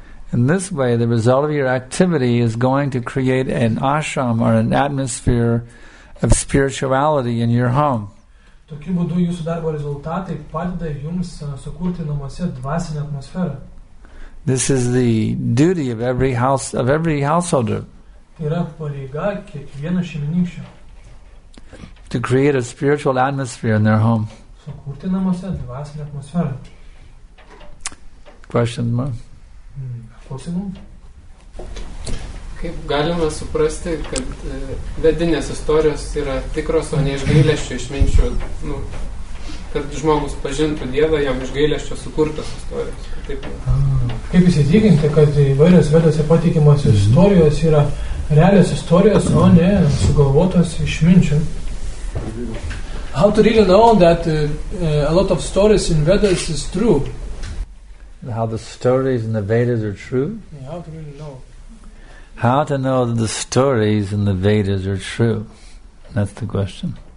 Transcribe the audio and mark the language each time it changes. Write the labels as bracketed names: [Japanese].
[English] In this way, the result of your activity is going to create an ashram or an atmosphere of spirituality in your home. [Lithuanian] Tokiu būdu jūsų darbo rezultatai padeda jums sukurti namuose dvasinę atmosferą. [English] This is the duty of every householder. [Lithuanian] Tai yra pareiga kiekvieno šeimininkščio. [English] To create a spiritual atmosphere in their home. [Lithuanian] Sukurti namuose dvasinę atmosferą. [English] Question more. [Lithuanian] Klausimų? Kaip galima suprasti, kad vedinės istorijos yra tikros, o ne iš gailesčio išminčių, nu, kad žmogus pažintų Dievą, jam iš gailesčio sukurtos istorijos. Taip. Kaip įsitikinti, kad įvairios vedose patikimos istorijos yra realios istorijos, o ne sugalvotos išminčių? [English] How to really know that a lot of stories in Vedas is true? And how the stories in the Vedas are true? Yeah, how to really know? How to know that the stories in the Vedas are true? That's the question.